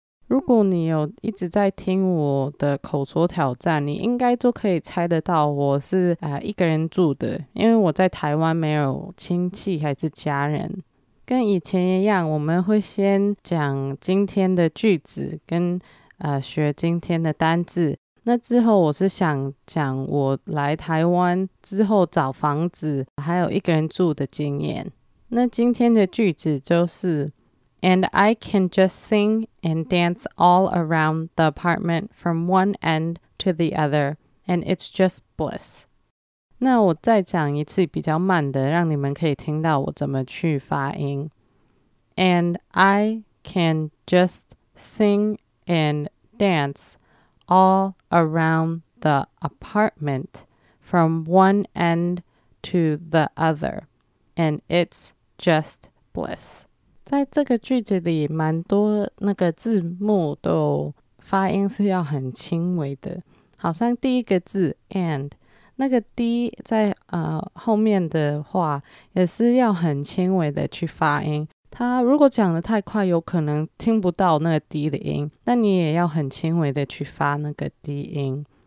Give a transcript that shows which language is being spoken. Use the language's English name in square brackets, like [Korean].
[Chinese] 如果你有一直在听我的口说挑战，你应该就可以猜得到我是一个人住的，因为我在台湾没有亲戚还是家人。跟以前一样，我们会先讲今天的句子跟学今天的单字。那之后我是想讲我来台湾之后找房子还有一个人住的经验。那今天的句子就是 [English] And I can just sing and dance all around the apartment from one end to the other, and it's just bliss. [Chinese] 那我再讲一次比较慢的，让你们可以听到我怎么去发音。 [English] And I can just sing and danceAll around the apartment from one end to the other, and it's just bliss. [Chinese] 在这个句子里蛮多那个字幕都发音是要很轻微的，好像第一个字 and 那个 d 在后面的话也是要很轻微的去发音，他如果讲得太快有可能听不到那个低的音，那你也要很轻微的去发那个低音。